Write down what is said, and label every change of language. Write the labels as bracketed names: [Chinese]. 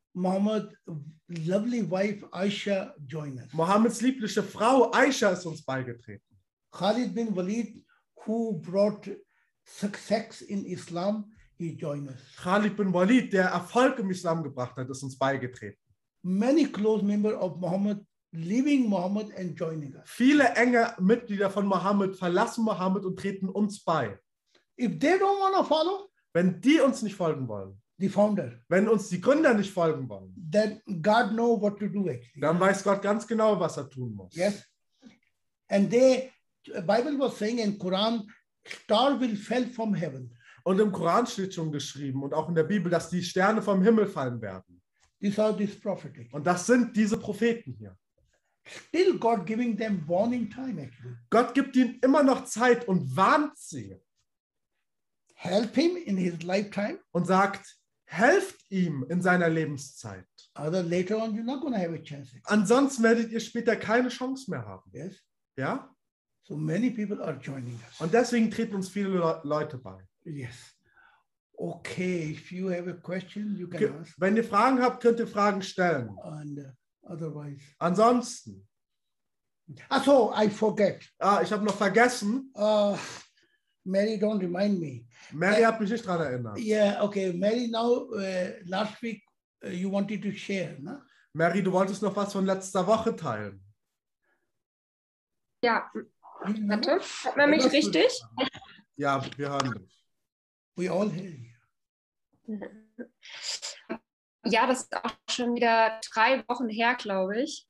[English] Muhammad lovely wife Aisha join us. [German] Mohammeds liebliche Frau Aisha ist uns beigetreten. [English] Khalid bin Walid, who brought success in Islam, he join us. [German] Khalid bin Walid, der Erfolg im Islam gebracht hat, ist uns beigetreten. [English] Many close members of Muhammad leaving Muhammad and joining us. [German] Viele enge Mitglieder von Muhammad verlassen Muhammad und treten uns bei. [English] If they don't want to follow, [German] wenn die uns nicht folgen wollen, [English] the founder, [German] wenn uns die Gründer nicht folgen wollen, [English] then God know what to do actually. [German] Dann weiß Gott ganz genau, was er tun muss. [English] Yes. And they, Bible was saying in Quran, star will fall from heaven. [German] Und im Koran steht schon geschrieben und auch in der Bibel, dass die Sterne vom Himmel fallen werden. [English] These are these prophets. [German] Und das sind diese Propheten hier. [English] Still God giving them warning time actually. [German] Gott gibt ihnen immer noch Zeit und warnt sie. [English] Help him in his lifetime. [German] Und sagt, helft ihm in seiner Lebenszeit. [English] Other later on you're not gonna have a chance. [German] Ansonsten werdet ihr später keine Chance mehr haben. [English] Yes. [German] Ja? [English] So many people are joining us. [German] Und deswegen treten uns viele Leute bei. [English] Yes. Okay, if you have a question, you can ask. [German] Wenn ihr Fragen habt, könnt ihr Fragen stellen. [English] And otherwise. [German] Ansonsten. Ach so, [English] I forget. [German] Ah, ich habe noch vergessen. [English] Mary, don't remind me. [German] Mary hat mich nicht dran erinnert. [English] Yeah, okay. Mary, now, last week, you wanted to share, ne? [German] Mary, du wolltest noch was von letzter Woche teilen. Ja, warte. Hört man mich richtig? Ja, wir hören dich. [English] We all hear you. [German] Ja, das ist auch schon wieder 3 Wochen her, glaube ich.